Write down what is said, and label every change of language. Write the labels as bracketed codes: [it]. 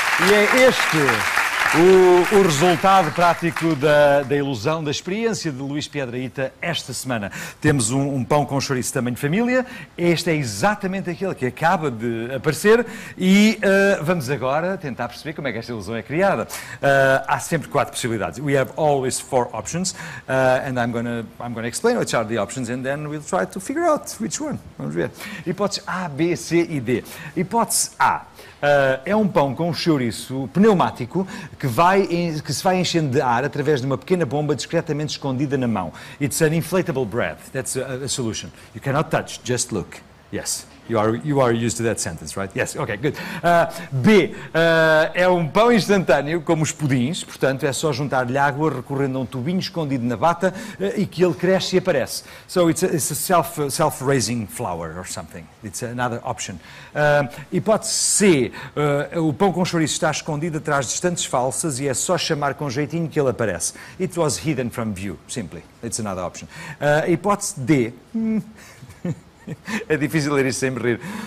[pt] E é este o resultado prático da ilusão, da experiência de Luís Piedrahita esta semana. Temos um pão com chouriço tamanho família. Este é exatamente aquele que acaba de aparecer. E vamos agora tentar perceber como é que esta ilusão é criada. Há sempre quatro possibilidades. [en] We have always four options. And I'm gonna explain which are the options and then we'll try to figure out which one. [pt] Vamos ver. Hipótese A, B, C e D. Hipótese A. É um pão com chouriço pneumático que se vai enchendo de ar através de uma pequena bomba discretamente escondida na mão. [en] It's an inflatable breath. That's a solution. You cannot touch, just look. Yes. You are used to that sentence, right? Yes, okay, good. [pt] B, é um pão instantâneo, como os pudins, portanto, é só juntar-lhe água recorrendo a um tubinho escondido na bata e que ele cresce e aparece. [en] So it's a self-raising flower or something. It's another option. [pt] Hipótese C, o pão com chouriço está escondido atrás de estantes falsas e é só chamar com jeitinho que ele aparece. [en] It was hidden from view, simply. It's another option. [pt] Hipótese D, é difícil ler isto sem me rir.